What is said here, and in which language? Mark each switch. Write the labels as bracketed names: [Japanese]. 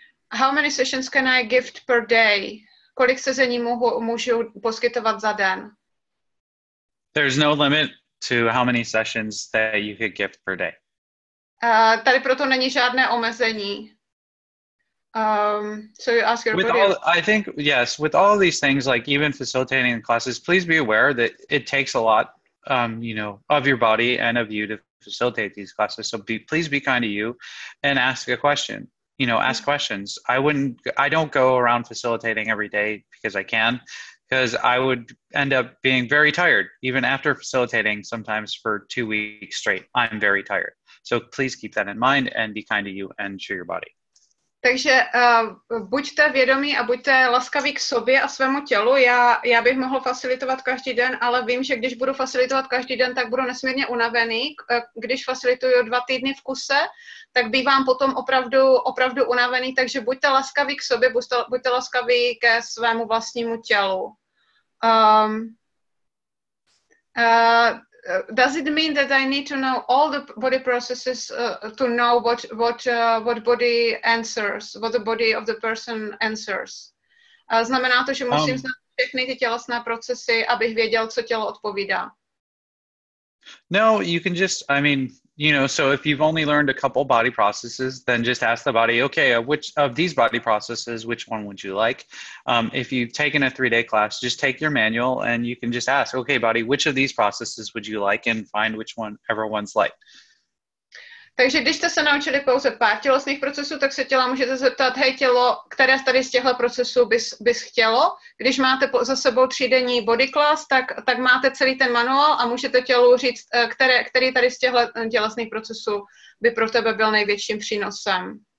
[English] How many sessions can I gift per day? [Czech] Kolik sezení můžu poskytovat za den? [English] There's no limit to how many sessions that you could gift per day. [Czech] Tady proto není žádné omezení. [English] So you ask your with body. With all these things, like even facilitating classes, please be aware that it takes a lot, of your body and of you to facilitate these classes. So please be kind to you and ask a question, ask questions. I don't go around facilitating every day because I can, because I would end up being very tired. Even after facilitating sometimes for 2 weeks straight, I'm very tired. So please keep that in mind and be kind to you and to your body. [Czech] Takže buďte vědomí a buďte laskaví k sobě a svému tělu. Já bych mohl facilitovat každý den, ale vím, že když budu facilitovat každý den, tak budu nesmírně unavený. Když facilituju 2 týdny v kuse, tak bývám potom opravdu, opravdu unavený, takže buďte laskaví k sobě, buďte laskaví ke svému vlastnímu tělu. [English] Does it mean that I need to know all the body processes to know what body answers, what the body of the person answers? [Czech] Znamená to, že musím znát všechny ty tělesné procesy, abych věděl, co tělo odpovídá. [English] No, you can just, so if you've only learned a couple body processes, then just ask the body, okay, which of these body processes, which one would you like? If you've taken a 3-day class, just take your manual and you can just ask, okay, body, which of these processes would you like and find whichever one's like. [Czech] Takže když jste se naučili pouze pár tělesných procesů, tak se těla můžete zeptat, hej tělo, které tady z těchto procesů bys chtělo. Když máte za sebou třídenní body class, tak máte celý ten manuál a můžete tělu říct, který tady z těchto tělesných procesů by pro tebe byl největším přínosem.